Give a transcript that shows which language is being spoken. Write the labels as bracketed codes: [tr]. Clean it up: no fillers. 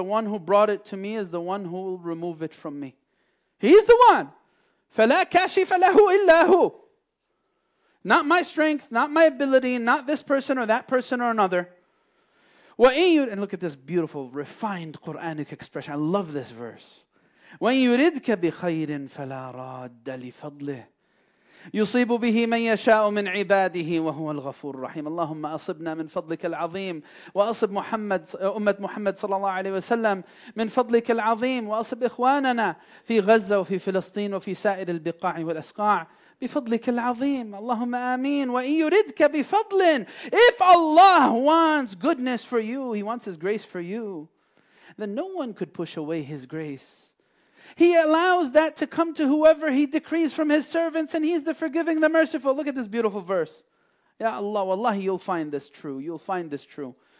[en] The one who brought it to me is the one who will remove it from me. He's the one. [ar] فَلَا كَاشِفَ لَهُ إِلَّا هُ. [en] Not my strength, not my ability, not this person or that person or another. And look at this beautiful, refined Quranic expression. I love this verse. When [ar] يُرِدْكَ بِخَيْرٍ فَلَا رَادَّ لِفَضْلِهِ يصيب به من يشاء من عباده وهو الغفور الرحيم. اللهم أصبنا من فضلك العظيم وأصب محمد أمة محمد صلى الله عليه وسلم من فضلك العظيم وأصب إخواننا في غزة وفي فلسطين وفي سائر البقاع والأسقاع بفضلك العظيم. اللهم آمين. وإن يردك بفضل. [en] If Allah wants goodness for you, He wants His grace for you, then no one could push away His grace. He allows that to come to whoever He decrees from His servants, and He's the forgiving, the merciful. Look at this beautiful verse. Ya Allah, wallahi, you'll find this true. You'll find this true.